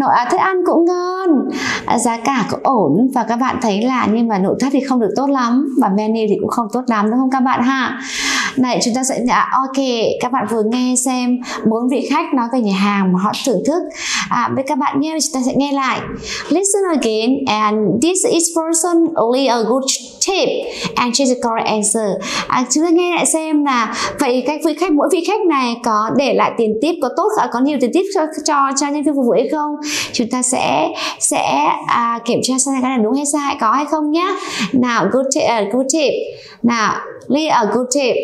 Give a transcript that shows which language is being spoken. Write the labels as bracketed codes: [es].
[vi] Thức ăn cũng ngon, giá cả cũng ổn, và các bạn thấy là, nhưng mà nội thất thì không được tốt lắm, và menu thì cũng không tốt lắm, đúng không các bạn ha? Này, chúng ta sẽ ok, các bạn vừa nghe xem 4 vị khách nói về nhà hàng mà họ thưởng thức với các bạn nhé. Chúng ta sẽ nghe lại. [en] Listen again, and this is personally a good tip, and change the correct answer. [vi] Chúng ta nghe lại xem là vậy các vị khách, mỗi vị khách này có để lại tiền tip, có tốt, có nhiều tiền tip cho nhân viên phục vụ hay không. Chúng ta sẽ kiểm tra xem cái này đúng hay sai, có hay không nhé. Nào, [en] good tip. Nào, leave a good tip.